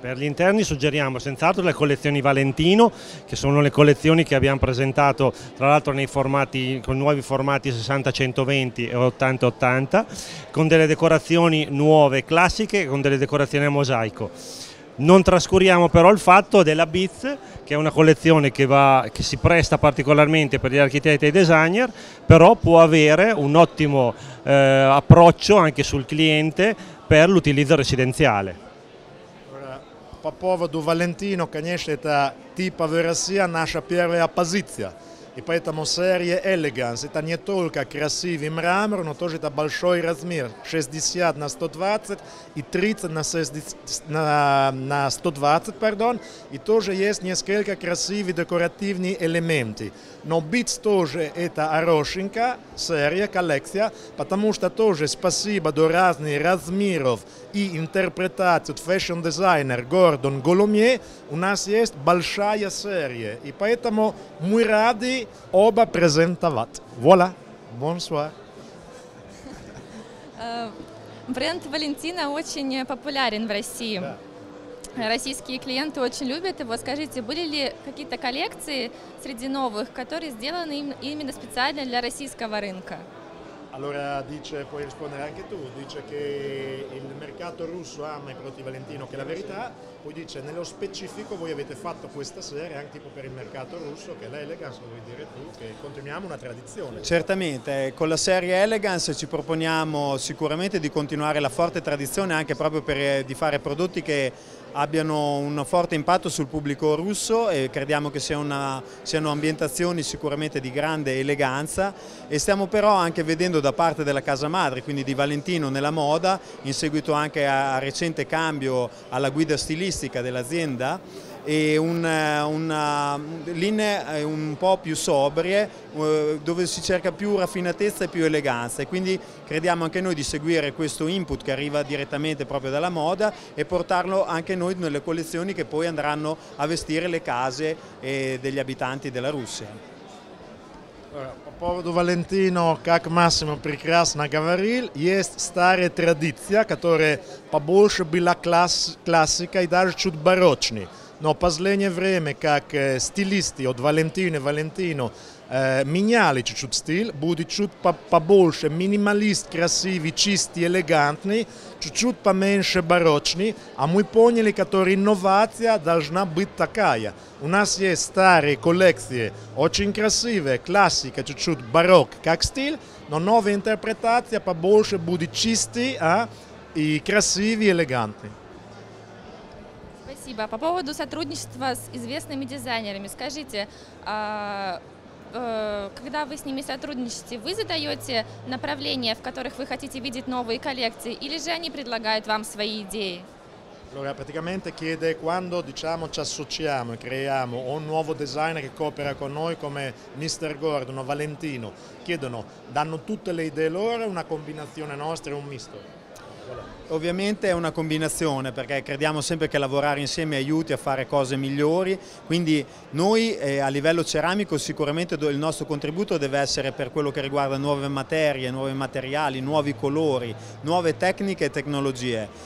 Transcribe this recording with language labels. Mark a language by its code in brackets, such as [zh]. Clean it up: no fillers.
[it] Per gli interni suggeriamo senz'altro le collezioni Valentino, che sono le collezioni che abbiamo presentato tra l'altro nei formati, con nuovi formati 60-120 e 80-80, con delle decorazioni nuove classiche e con delle decorazioni a mosaico. Non trascuriamo però il fatto della BITS, che è una collezione che si presta particolarmente per gli architetti e i designer, però può avere un ottimo approccio anche sul cliente per l'utilizzo residenziale. [ru] По поводу Валентино, конечно, это типа в России наша первая позиция. И поэтому серия Elegance, это не только красивый мрамор, но тоже это большой размер, 60 на 120 и 30 на, 60, на 120, pardon, и тоже есть несколько красивых декоративных элементов. Но BITS тоже это хорошенькая серия, коллекция, потому что тоже спасибо до разных размеров и интерпретации фэшн-дизайнер Гордон Голумье, у нас есть большая серия, и поэтому мы рады оба презентовать. [fr] Voilà, bonsoir. [ru] Бренд Валентина очень популярен в России. Российские клиенты очень любят его. Скажите, были ли какие-то коллекции среди новых, которые сделаны именно специально для российского рынка? [it] Allora dice, puoi rispondere anche tu, dice che il mercato russo ama i prodotti Valentino, che è la verità, poi dice nello specifico voi avete fatto questa serie anche tipo per il mercato russo, che è l'Elegance, vuoi dire tu, che continuiamo una tradizione. Certamente, con la serie Elegance ci proponiamo sicuramente di continuare la forte tradizione anche proprio per di fare prodotti che abbiano un forte impatto sul pubblico russo e crediamo che siano ambientazioni sicuramente di grande eleganza, e stiamo però anche vedendo da parte della casa madre, quindi di Valentino nella moda, in seguito anche a recente cambio alla guida stilistica dell'azienda, e una linee un po' più sobrie dove si cerca più raffinatezza e più eleganza, e quindi crediamo anche noi di seguire questo input che arriva direttamente proprio dalla moda e portarlo anche noi nelle collezioni che poi andranno a vestire le case degli abitanti della Russia. Povero [ru] Valentino, как Massimo прекрасно говорил, есть старая традиция, которая побольше была классика и даже чуть барочной. Но в последнее время, как стилисты от Валентина и Валентино меняли чуть-чуть стиль, будет чуть побольше минималист, красивый, чистый, элегантный, чуть-чуть поменьше барочный. А мы поняли, что инновация должна быть такая. У нас есть старые коллекции, очень красивые, классика, чуть-чуть барок как стиль, но новая интерпретация побольше будет чистый и красивый, элегантный. Спасибо. По поводу сотрудничества с известными дизайнерами, скажите, когда вы с ними сотрудничаете, вы задаете направления, в которых вы хотите видеть новые коллекции, или же они предлагают вам свои идеи? [it] Allora, praticamente chiede quando, diciamo, ci associamo e creiamo un nuovo designer che coopera con noi come Mr. Gordon o Valentino, chiedono, danno tutte le idee loro, una combinazione nostra e un misto? Ovviamente è una combinazione, perché crediamo sempre che lavorare insieme aiuti a fare cose migliori, quindi noi a livello ceramico sicuramente il nostro contributo deve essere per quello che riguarda nuove materie, nuovi materiali, nuovi colori, nuove tecniche e tecnologie.